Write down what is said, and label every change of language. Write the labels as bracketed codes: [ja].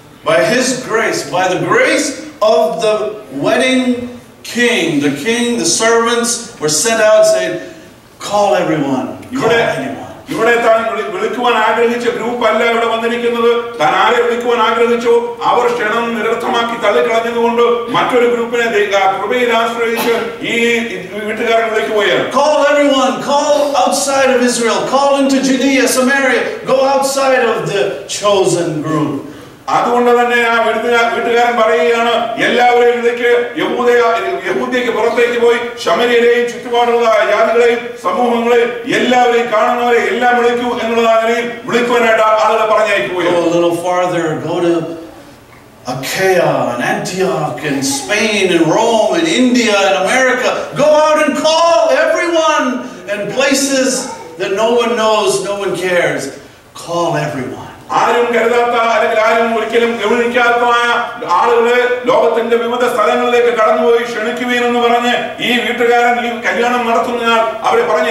[en] By his grace, by the grace of the wedding king, the servants were sent out saying, call everyone, call anyone. [ml] ഇവിടെ താൻ വിളിക്കുവാൻ ആഗ്രഹിച്ച group അല്ല ഇവിടെ വന്നിരിക്കുന്നത്. താൻ ആരെ വിളിക്കുവാൻ ആഗ്രഹിച്ചോ അവർ ക്ഷണം നിരർത്ഥമാക്കി തള്ളിക്കളഞ്ഞതുകൊണ്ട് മറ്റൊരു ഗ്രൂപ്പിനെ കൃപയിൽ ആശ്രയിച്ച് ഈ വീട്ടുകാരൻ വിളിക്കുപോയാണ്. [en] Call everyone, call outside of Israel, call into Judea, Samaria, go outside of the chosen group. [ml] അതുകൊണ്ട് തന്നെ ആ വീട്ടുകാരൻ പറയുകയാണ്, എല്ലാവരെയും വിളിച്ച് യഹൂദയ്ക്ക് പുറത്തേക്ക് പോയി ശമര്യരെയും ചുറ്റുപാടുള്ള ജാതികളെയും സമൂഹങ്ങളെയും എല്ലാവരെയും കാണുന്നവരെ എല്ലാം വിളിക്കൂ എന്നുള്ളതാ നിലയിൽ വിളിക്കുവാനായിട്ട് ആളുകളെ പറഞ്ഞയക്കുകയാണ്. [en] Achaia and Antioch and Spain and Rome and India and America, go out and call everyone in places that no one knows, no one cares. Call everyone. [ml] ആരും കരുതാത്ത അല്ലെങ്കിൽ ആരും ഒരിക്കലും ഗൗരവിക്കാത്തമായ ആളുകളെ ലോകത്തിന്റെ വിവിധ സ്ഥലങ്ങളിലേക്ക് കടന്നുപോയി ക്ഷണിക്കുവേൻ എന്ന് പറഞ്ഞ് ഈ വീട്ടുകാരൻ ഈ കല്യാണം നടത്തുന്നയാൾ അവരെ